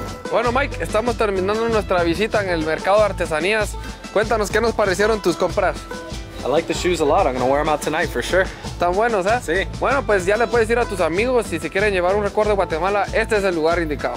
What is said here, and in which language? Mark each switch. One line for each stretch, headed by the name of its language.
Spanish: Bueno, Mike, estamos terminando nuestra visita en el mercado de artesanías. Cuéntanos, ¿qué nos parecieron tus compras?
English: I like the shoes a lot. I'm going to wear them out tonight for sure.
Spanish: Están buenos, ¿eh? Sí. Bueno, pues ya le puedes decir a tus amigos si se quieren llevar un recuerdo de Guatemala, este es el lugar indicado.